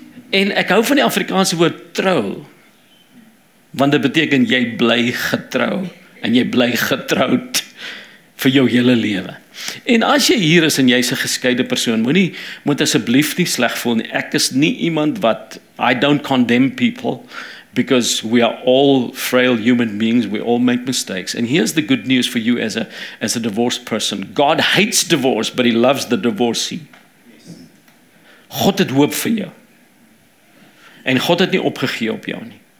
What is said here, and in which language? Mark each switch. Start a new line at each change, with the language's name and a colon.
Afrikaans: En ek hou van die Afrikaanse woord trou, want dit beteken jy bly getrou, en jy bly getroud vir jou hele lewe. En as jy hier is en jy is 'n geskeide persoon, moet asseblief nie sleg voel nie. Ek is nie iemand wat,
English: I don't condemn people, because we are all frail human beings, we all make mistakes. And here's the good news for you as a divorced person. God hates divorce, but he loves the divorcee.
Afrikaans: God het hoop vir jou. En God het nie opgegee op jou nie.